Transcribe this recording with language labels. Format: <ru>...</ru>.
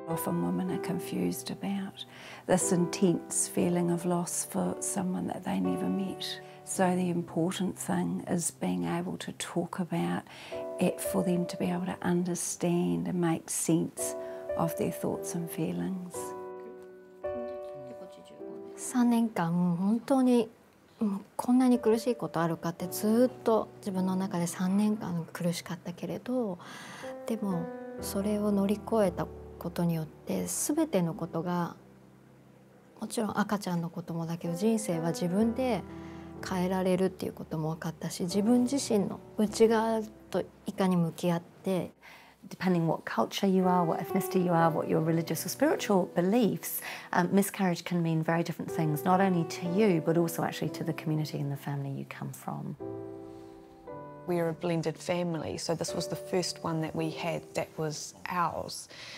<en>Often women are confused about this intense feeling of loss for someone that they never met. So the important thing is being able to talk about it for them to be able to understand and make sense of their thoughts and feelings.</en> <ja>こんなに苦しいことあるかってずっと自分の中で3年間苦しかったけれど、でもそれを乗り越えたことによって全てのことがもちろん赤ちゃんのこともだけど人生は自分で変えられるっていうことも分かったし自分自身の内側といかに向き合って</ja> <en>Depending what culture you are, what ethnicity you are, what your religious or spiritual beliefs, miscarriage can mean very different things, not only to you, but also actually to the community and the family you come from. We are a blended family, so this was the first one that we had that was ours.</en>